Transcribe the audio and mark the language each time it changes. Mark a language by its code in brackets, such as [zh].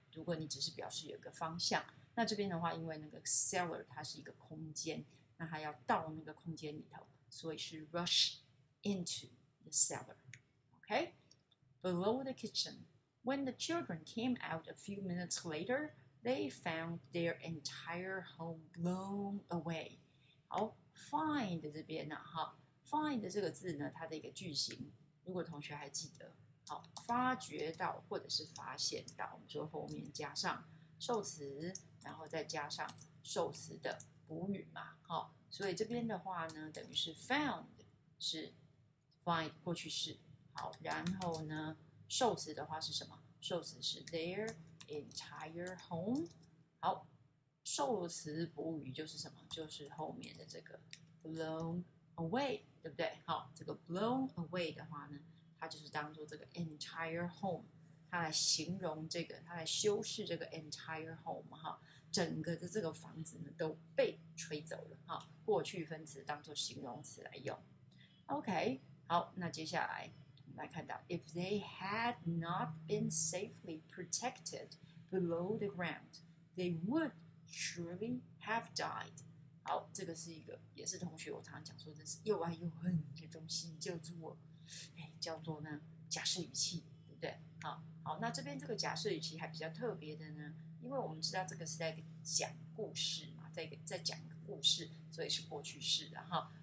[zh] 如果你只是表示有个方向，那这边的话，因为那个 cellar 它是一个空间，那它要到那个空间里头，所以是 [en] rush into the cellar， [zh] OK。 [en] Below the kitchen, when the children came out a few minutes later, they found their entire home blown away。 [zh] 好 ，find 这边呢，哈 ，find 这个字呢，它的一个句型。如果同学还记得，好，发觉到或者是发现到，我们说后面加上受词，然后再加上受词的补语嘛，好，所以这边的话呢，等于是 found 是 find 过去式，好，然后呢，受词的话是什么？受词是 [en] their entire home， [zh] 好，受词补语就是什么？就是后面的这个 blown away。对不对？好，这个 blown away 的话呢，它就是当做这个 entire home， 它来形容这个，它来修饰这个 entire home， 哈，整个的这个房子呢都被吹走了，哈，过去分词当做形容词来用。 [en] OK， [zh] 好，那接下来我们来看到 [en] ，if they had not been safely protected below the ground， they would surely have died。 [zh] 好，这个是一个，也是同学我常常讲说，这是又爱又恨的东西，叫做呢假设语气，对不对？好，那这边这个假设语气还比较特别的呢，因为我们知道这个是在讲故事嘛，在讲一个故事，所以是过去式的哈。